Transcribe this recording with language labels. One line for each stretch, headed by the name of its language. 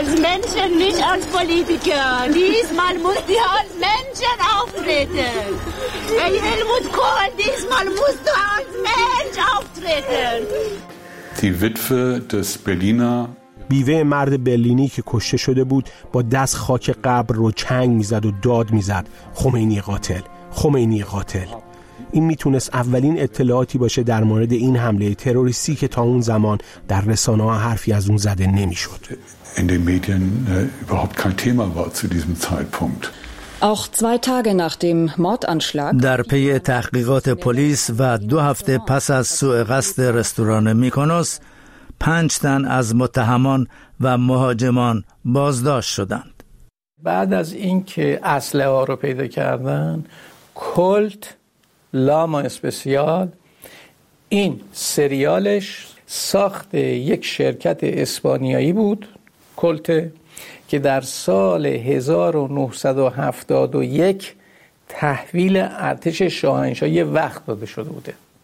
German: Menschen nicht als Politiker. Diesmal muss sie als Menschen auftreten. Hey Helmut Kohl, diesmal musst du als Mensch auftreten. Die Witwe des Berliner.
Persian: بیوه مرد برلینی که کشته شده بود با دست خاک قبر رو چنگ میزد و داد میزد: خمینی قاتل، خمینی قاتل. این میتونست اولین اطلاعاتی باشه در مورد این حمله تروریستی که تا اون زمان در رسانه‌ها حرفی از اون زده نمیشد.
German: In den Medien überhaupt kein Thema war zu diesem Zeitpunkt. Auch 2 Tage nach dem Mordanschlag.
Persian: در پی تحقیقات پلیس و 2 هفته پس از سوءقصد رستوران میکونوس، 5 تن از متهمان و مهاجمان بازداشت شدند. بعد از اینکه اسلحه ها رو پیدا کردن، کلت لاما اسپسیال این سریالش ساخت یک شرکت اسپانیایی بود، کلت، که در سال 1971 تحویل ارتش شاهنشاهی یه وقت داده شده بوده